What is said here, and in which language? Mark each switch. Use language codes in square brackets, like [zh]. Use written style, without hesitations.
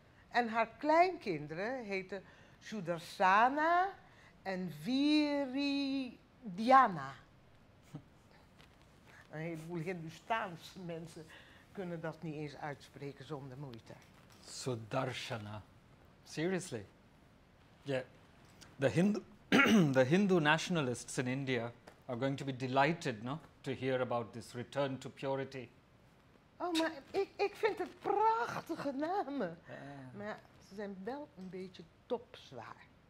[nl] En haar kleinkinderen heten Sudarsana en Viridiana. Een heleboel Hindoestaanse mensen kunnen dat niet eens uitspreken zonder moeite. [en] Sudarsana. Seriously? Yeah. The Hindu nationalists in India are going to be delighted, no? To hear about this return to purity. [nl] Oh, maar ik vind het prachtige namen. Yeah. Maar ze zijn wel een beetje topzwaar.